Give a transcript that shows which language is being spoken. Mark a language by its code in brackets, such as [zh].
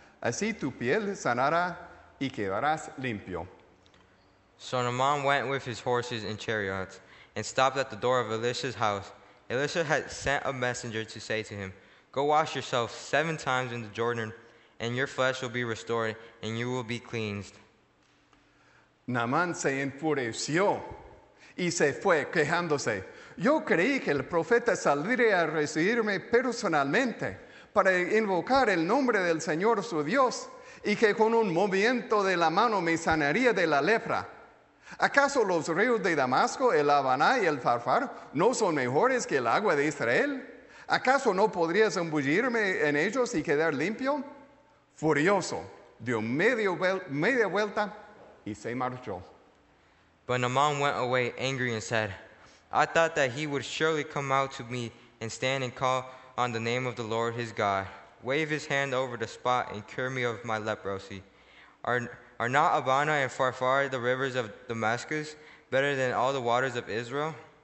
[es] Así tu piel sanará y quedarás limpio. [en] So Naamán went with his horses and chariots and stopped at the door of Elisha's house. Elisha had sent a messenger to say to him, Go wash yourself 7 times in the Jordan, and your flesh will be restored, and you will be cleansed. [es] Naamán se enfureció y se fue quejándose. Yo creí que el profeta saldría a recibirme personalmente para invocar el nombre del Señor su Dios y que con un movimiento de la mano me sanaría de la lepra. ¿Acaso los ríos de Damasco, el Habaná y el Farfar no son mejores que el agua de Israel? ¿Acaso no podría zambullirme en ellos y quedar limpio? Furioso, dio media vuelta y se marchó. [en] But Naamán went away angry and said, I thought that he would surely come out to me and stand and call on the name of the Lord his God, wave his hand over the spot and cure me of my leprosy. Are not Abana and Farfar the rivers of Damascus better than all the waters of Israel?